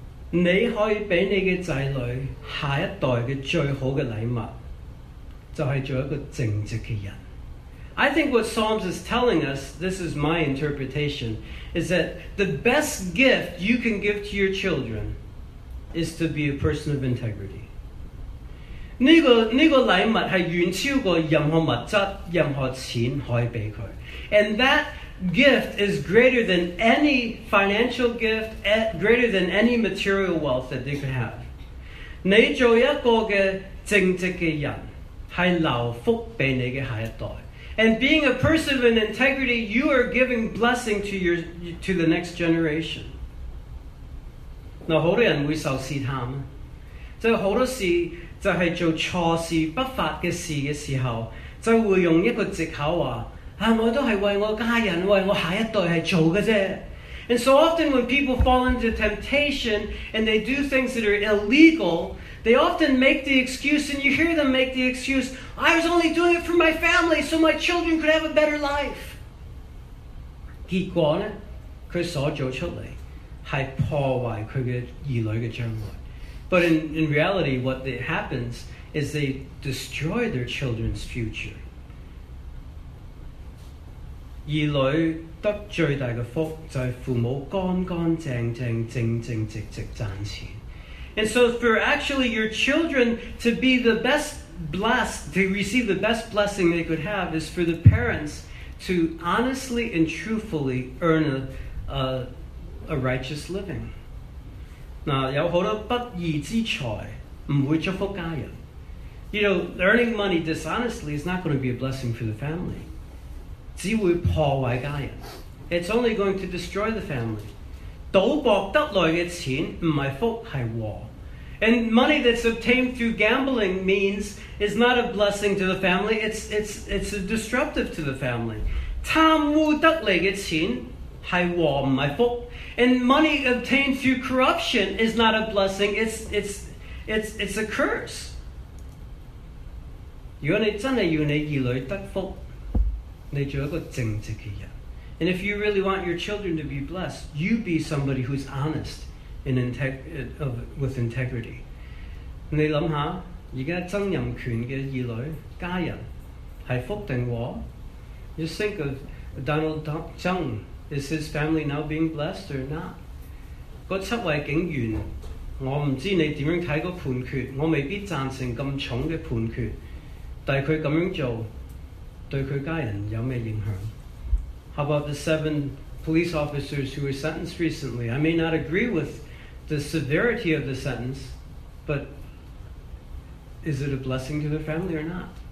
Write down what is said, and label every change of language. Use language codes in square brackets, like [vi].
[zh] 你可以给你的子女下一代的最好的礼物，就是做一个正直的人。 [en] I think what Psalms is telling us, this is my interpretation, is that the best gift you can give to your children is to be a person of integrity. [zh] 这个礼物是远超过任何物质、任何钱可以给他。 [en] And that gift is greater than any financial gift, greater than any material wealth that they could have. [zh] 你做一个的正直的人是留福给你的下一代。 [en] And being a person of an integrity, you are giving blessing to the next generation. [zh] 那好多人会受试探，就好多事就是做错事、不法的事的时候，就会用一个借口话：啊，我都是为我家人、为我下一代系做嘅啫。 [en] And so often, when people fall into temptation and they do things that are illegal, they often make the excuse, and you hear them make the excuse, I was only doing it for my family so my children could have a better life. [zh] 结果呢，他所做出来是破坏他的儿女的将来。 [en] But in reality, what happens is they destroy their children's future. [zh] 儿女得最大的福就是父母干干净净、正正直直赚钱。 [en] And so for actually your children to be the best blessed, to receive the best blessing they could have is for the parents to honestly and truthfully earn a righteous living. [zh] 那有好多不义之财不会祝福家人。 [en] You know, earning money dishonestly is not going to be a blessing for the family. [zh] 只会破坏家人。 [en] It's only going to destroy the family. [zh] 赌博得来的钱不是福，是祸。 [en] And money that's obtained through gambling means is not a blessing to the family, it's a disruptive to the family. [zh] 贪污得来的钱是祸，不是福。 [en] And money obtained through corruption is not a blessing, it's a curse. [zh] 如果你真的要你儿女得福，你做一个正直的人。 [en] And if you really want your children to be blessed, you be somebody who's honest and with integrity. [zh] 你想想，现在曾荫权的儿女、家人，是福还是祸？ [en] You think of Donald Trump, is his family now being blessed or not? [zh] 那七位警员，我不知道你怎样看那个判决，我未必赞成这么重的判决，但是他这样做，对他家人有什么影响？ [en] How about the 7 police officers who were sentenced recently? I may not agree with the severity of the sentence, but is it a blessing to their family or not?